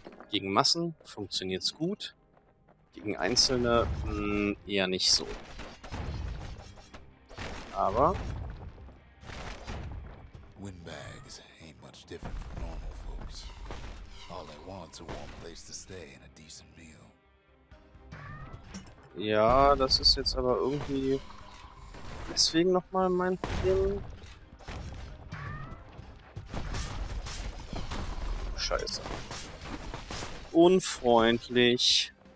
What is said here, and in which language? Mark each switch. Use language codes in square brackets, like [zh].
[de] Gegen Massen funktioniert's gut. Gegen Einzelne eher nicht so. Aber. [en] Windbags ain't much different from normal folks. All they want's a warm place to stay and a decent meal. [de] Ja, das ist jetzt aber irgendwie deswegen nochmal mein Problem. Scheiße. Unfreundlich.